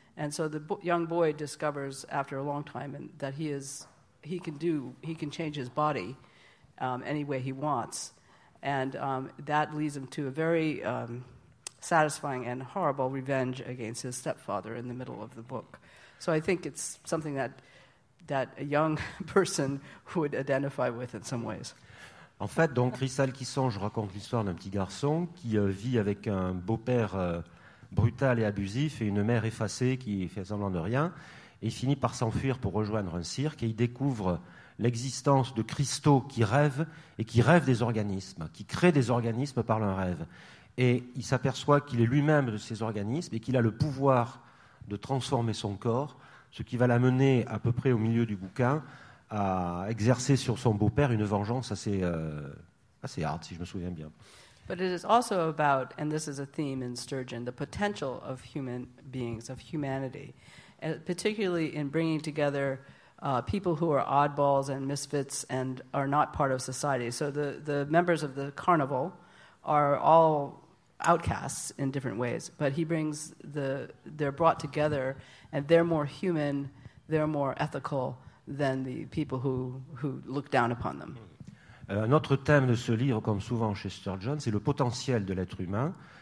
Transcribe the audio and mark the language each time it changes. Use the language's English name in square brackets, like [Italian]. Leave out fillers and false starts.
[English] And so the young boy discovers after a long time that he can change his body any way he wants. And that leads him to a very satisfying and horrible revenge against his stepfather in the middle of the book. So I think it's something that a young person would identify with in some ways. [French] En fait, dans Cristal qui songe, je raconte l'histoire d'un petit garçon qui vit avec un beau-père brutal et abusif et une mère effacée qui fait semblant de rien. Et il finit par s'enfuir pour rejoindre un cirque et il découvre l'existence de cristaux qui rêvent et qui rêvent des organismes, qui créent des organismes par leur rêve. Et il s'aperçoit qu'il est lui-même de ces organismes et qu'il a le pouvoir de transformer son corps, ce qui va l'amener à peu près au milieu du bouquin à exercer sur son beau-père une vengeance assez assez hard, si je me souviens bien. [English] But it is also about, and this is a theme in Sturgeon, the potential of human beings, of humanity, and particularly in bringing together people who are oddballs and misfits and are not part of society. So the members of the carnival are all outcasts in different ways, but he brings they're brought together and they're more human, they're more ethical than the people who look down upon them. [French] Un autre thème de ce livre, comme souvent chez Sturgeon, c'est le potentiel de l'être humain.